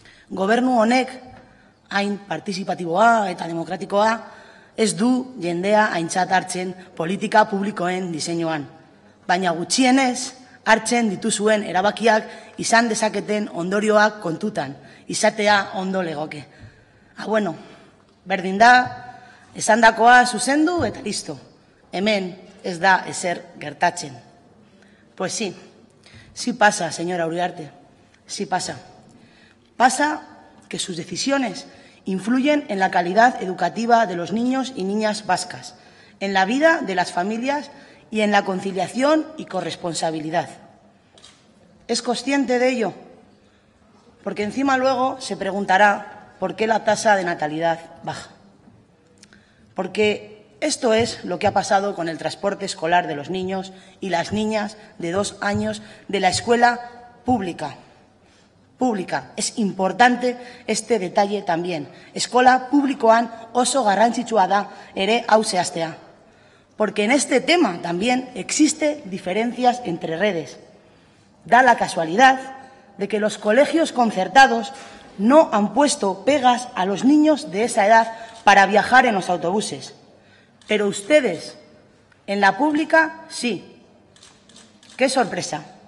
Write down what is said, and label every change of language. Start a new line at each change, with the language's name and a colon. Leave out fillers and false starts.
Basque: Gobernu honek, hain partizipatiboa eta demokratikoa, ez du jendea aintzat hartzen politika publikoen diseinuan. Baina gutxienez, hartzen dituzuen erabakiak izan dezaketen ondorioak kontutan, izatea ondo legoke. Ah, bueno, berdin da, esan dakoa zuzendu eta listo. Hemen ez da ezer gertatzen.
Spanish: Pues sí, sí pasa, señora Uriarte, sí pasa. Pasa que sus decisiones influyen en la calidad educativa de los niños y niñas vascas, en la vida de las familias y en la conciliación y corresponsabilidad. ¿Es consciente de ello? Porque encima luego se preguntará por qué la tasa de natalidad baja. Porque esto es lo que ha pasado con el transporte escolar de los niños y las niñas de 2 años de la escuela pública. Pública. Es importante este detalle también.
Basque: Eskola publikoan oso garrantzitsua da ere hau zehaztea.
Spanish: Porque en este tema también existe diferencias entre redes. Da la casualidad de que los colegios concertados no han puesto pegas a los niños de esa edad para viajar en los autobuses. Pero ustedes, en la pública, sí. ¡Qué sorpresa!